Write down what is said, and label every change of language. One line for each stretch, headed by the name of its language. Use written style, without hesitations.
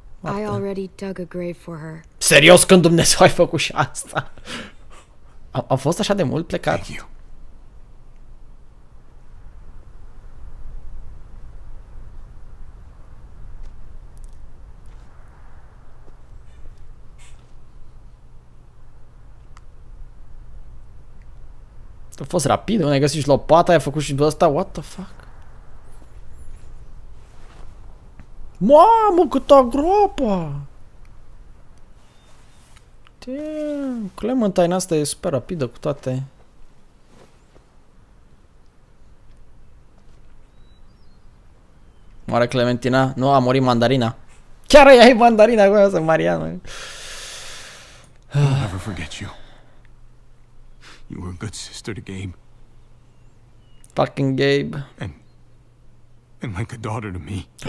English: I already dug a grave for her.
Romanian: Serios, când Dumnezeu ai făcut și asta? A fost așa de mult plecat.
English: Thank you.
Romanian: A fost rapid, unde ai găsit și lopata, ai făcut și ăsta,
English: what the fuck?
Romanian: Mamă, câtă groapă! Damn, Clementine asta e super rapidă cu toate. Moare Clementina? Nu, a murit mandarina. Chiar ea e mandarina, cum să Mariana.
English: I'll never forget you. You were a good sister to Gabe. Fucking Gabe. And like a daughter to me.